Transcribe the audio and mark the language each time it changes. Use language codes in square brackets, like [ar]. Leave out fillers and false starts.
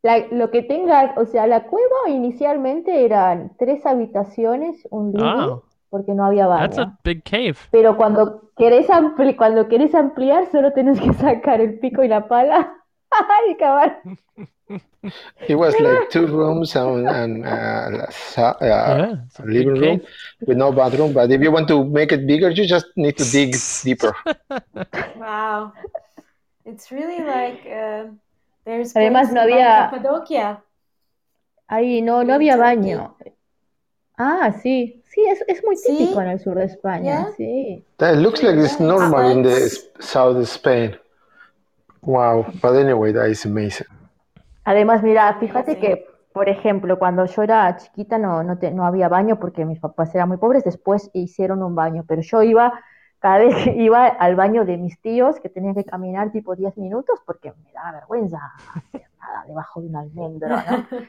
[es] Lo que tengas, o sea, la cueva inicialmente eran 3 habitaciones, un living, porque no había baño. [en] That's a big cave. [es] Pero cuando quieres ampliar, solo tienes que sacar el pico y la pala y cavar. [en] It was like 2 rooms and a living room with no bathroom. But if you want to make it bigger, you just need to dig deeper. Wow. It's really like there's [es] además, no había... Cappadocia. Ahí no había baño. Ah, sí. Sí, es muy típico en el sur de España. [en] Yeah? [es] Sí. [en] That looks like it's normal in the south of Spain. Wow. But anyway, that is amazing. [es] Además, mira, fíjate que, por ejemplo, cuando yo era chiquita no había baño porque mis papás eran muy pobres. Después hicieron un baño, pero yo iba cada vez que iba al baño de mis tíos, que tenía que caminar tipo 10 minutos porque me daba vergüenza hacer nada debajo de un almendro, ¿no?